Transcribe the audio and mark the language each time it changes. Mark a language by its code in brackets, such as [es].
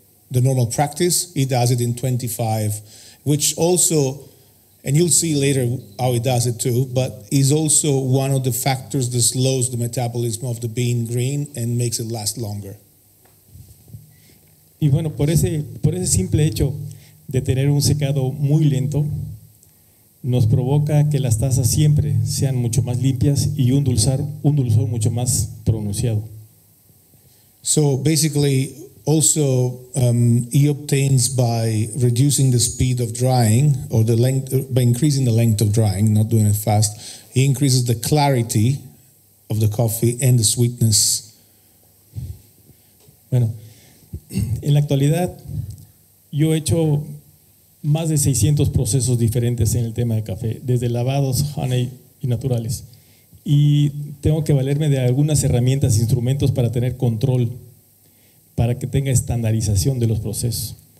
[en] The normal practice, he does it in 25, which also, and you'll see later how he does it too, but is also one of the factors that slows the metabolism of the bean green and makes it last longer. [es] Y bueno, por ese simple hecho de tener un secado muy lento, nos provoca que las tazas siempre sean mucho más limpias y un dulzor mucho más pronunciado. [en] So basically, also, he obtains by reducing the speed of drying or the length, by increasing the length of drying, not doing it fast, he increases the clarity of the coffee and the sweetness. [es] Bueno, En la actualidad, yo he hecho más de 600 procesos diferentes en el tema de café, desde lavados, honey y naturales. Y tengo que valerme de algunas herramientas e instrumentos para tener control, para que tenga estandarización de los procesos.